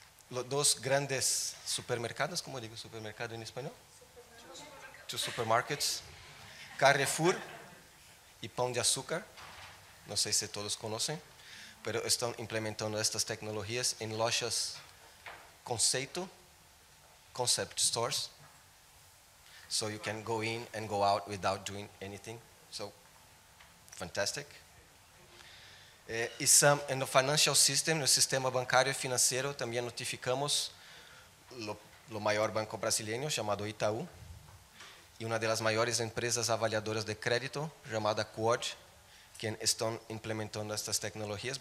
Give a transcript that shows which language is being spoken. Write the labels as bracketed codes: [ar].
[es] Los dos grandes supermercados, ¿cómo digo supermercado en español? [en] Two supermarkets, [es] Carrefour y Pão de Azúcar, no sé si todos conocen, pero están implementando estas tecnologías en [pt] lojas conceito, [en] concept stores. So you can go in and go out without doing anything. So, fantastic. [es] Y [en] some in the financial system, [es] en el sistema bancario y financiero, también notificamos lo mayor banco brasileño llamado Itaú y una de las mayores empresas avaliadoras de crédito llamada Quod, que están implementando estas tecnologías.